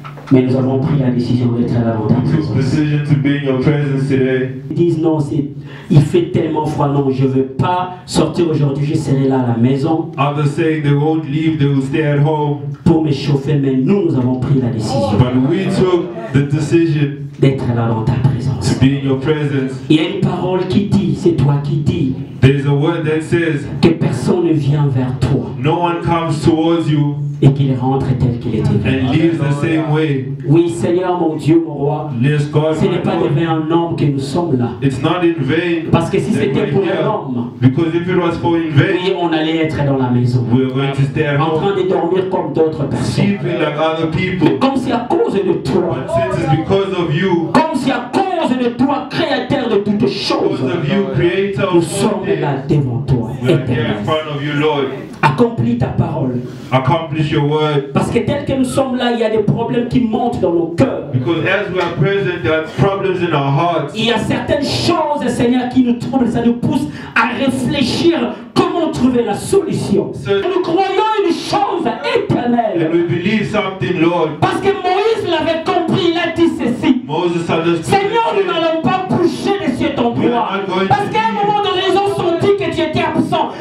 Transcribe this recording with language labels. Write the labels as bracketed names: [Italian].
[French] mais nous avons pris la décision d'être là dans ta présence. Ils disent non, c'est, il fait tellement froid, non, je ne veux pas sortir aujourd'hui, je serai là à la maison. [English] Others say they won't leave, they will stay at home. [French] Pour me chauffer, mais nous avons pris la décision. [English] But we took the decision [French] d'être là dans ta présence. [English] To be in your presence. [French] Il y a une parole qui dit, c'est toi qui dis. [English] There's a word that says [French] que personne ne vient vers toi. [English] No one comes towards you. [French] Et qu'il rentre tel qu'il était. [English] And lives the same way. [French] Oui, Seigneur, mon Dieu, mon roi. [English] Yes, God, [French] ce n'est pas de vain en homme que nous sommes là. [English] It's not in vain. [French] Parce que si c'était pour un homme, [English] because if it was for in vain, [French] oui, on allait être dans la maison. [English] We were going to stay at [French] home. En train de dormir comme d'autres personnes. [English] Sleeping like other people. [French] Mais comme si à cause de toi. [English] But since it's because of you. [French] Comme si à cause de toi, créateur de toutes choses. [English] Because of you, creator of all things. [French] Nous sommes là devant toi. [English] We are here in front of you, Lord. [French] Accomplis ta parole. [English] Accomplish your word. [French] Parce que tel que nous sommes là, il y a des problèmes qui montent dans nos cœurs. [English] Because as we are present, there are problems in our hearts. [French] Il y a certaines choses, Seigneur, qui nous troublent. Ça nous pousse à réfléchir comment trouver la solution. [English] So, [French] nous croyons une chose éternelle. [English] And we believe something, Lord. [French] Parce que Moïse l'avait compris, il a dit ceci. [English] Moses understood. [French] Seigneur, nous n'allons pas coucher les cieux ton bois. Parce qu'à un moment donné, ils ont senti que tu étais absent.